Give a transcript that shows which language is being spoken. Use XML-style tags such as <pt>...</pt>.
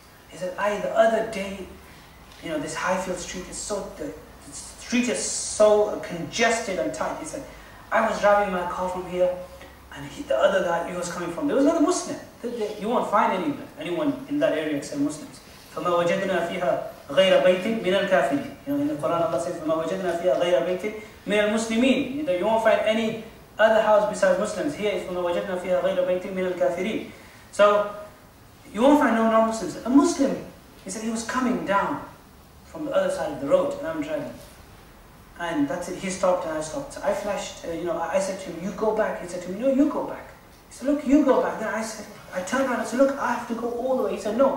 <en>He said, the other day, you know, this Highfield Street is so, the street is so congested and tight. He said, I was driving my car from here, and the other guy, he was coming from, there was another Muslim. You won't find anyone in that area except Muslims.</en> <ar>فَمَا وَجَدْنَا فِيهَا غَيْرَ بَيْتٍ مِنَ الْكَافِرِينَ.</ar> <en>You know, in the Quran Allah says,</en> <ar>فَمَا وَجَدْنَا فِيهَا غَيْرَ بَيْتٍ مِنَ الْمُسْلِمِينَ.</ar> <en>You know, you won't find any other house besides Muslims. Here is</en> <ar>فَمَا وَجَدْنَا فِيهَا غَيْرَ بَيْتٍ مِنَ الْكَافِرِينَ.</ar> <en>So, you won't find no non-Muslims. A Muslim, he said, he was coming down from the other side of the road, and I'm driving. And that's it. He stopped and I stopped. So I flashed, I said to him, you go back. He said to me, no, you go back. He said, look, you go back. Then I turned around and said, look, I have to go all the way. He said, no.</en>